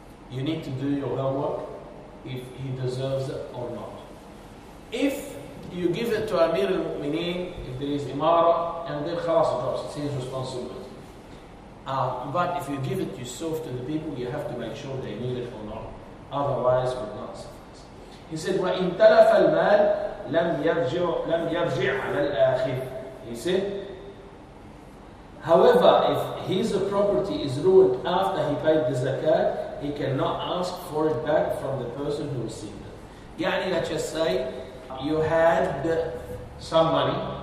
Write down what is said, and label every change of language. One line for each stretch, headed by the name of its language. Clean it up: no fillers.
English: You need to do your homework if he deserves it or not. If you give it to Amir al-Mu'mineen, if there is Imara, and then khalas drops, it's his responsibility. But if you give it yourself to the people, you have to make sure they need it or not. Otherwise, it would not suffice.
Arabic: He said, وَإِنْ تَلَفَ الْمَالِ لَمْ يَرْجِعْ عَلَى الْآخِرِ.
English: He said, however, if his property is ruined after he paid the zakat, he cannot ask for it back from the person who received it. يعني, let's just say, you had some money.